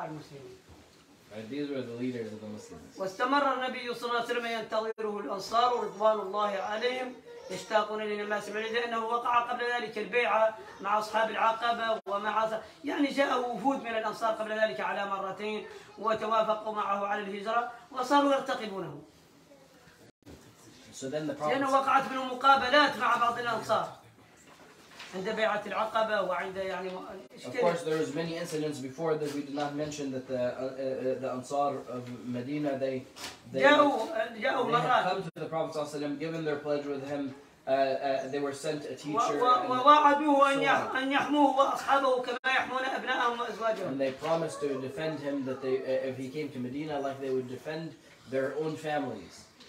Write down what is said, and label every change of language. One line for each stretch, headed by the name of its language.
English: Right, these were the leaders of the Muslims.
Arabic: واستمر النبي صلى الله عليه وسلم ينتظره الأنصار رضوان الله عليهم يشتاقون إلى ما سمع لأنه وقع قبل ذلك البيعة مع أصحاب العقبة ومع يعني جاءه وفود من الأنصار قبل ذلك على مرتين وتوافقوا معه على الهجرة وصاروا يرتقبونه.
English: So then the problem.
Arabic: لأنه وقعت من مقابلات مع بعض الأنصار. عند بيعة العقبة وعند يعني
English: of course there was many incidents before that we did not mention that the Ansar of Medina they had come to the Prophet صلى الله عليه وسلم given their pledge with him they were sent a teacher and they promised to defend him that they if he came to Medina like they would defend their own families.